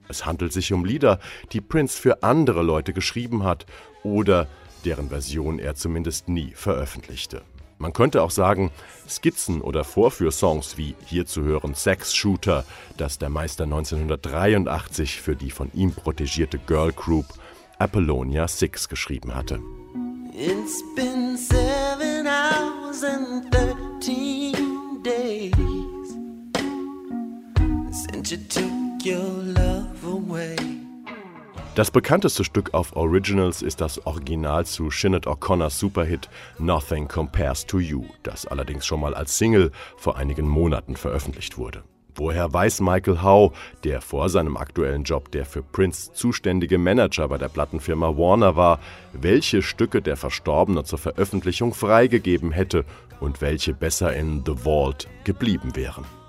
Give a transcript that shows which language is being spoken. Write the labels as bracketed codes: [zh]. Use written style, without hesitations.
[de] Es handelt sich um Lieder, die Prince für andere Leute geschrieben hat oder deren Version er zumindest nie veröffentlichte. Man könnte auch sagen, Skizzen oder Vorführsongs wie hier zu hören Sex Shooter, das der Meister 1983 für die von ihm protegierte Girl Group Apollonia 6 geschrieben hatte. [en] It's been 7 hours and 13 days since you took your love away. [de] Das bekannteste Stück auf Originals ist das Original zu Sinead O'Connors Superhit Nothing Compares to You, das allerdings schon mal als Single vor einigen Monaten veröffentlicht wurde. Woher weiß Michael Howe, der vor seinem aktuellen Job der für Prince zuständige Manager bei der Plattenfirma Warner war, welche Stücke der Verstorbene zur Veröffentlichung freigegeben hätte und welche besser in The Vault geblieben wären?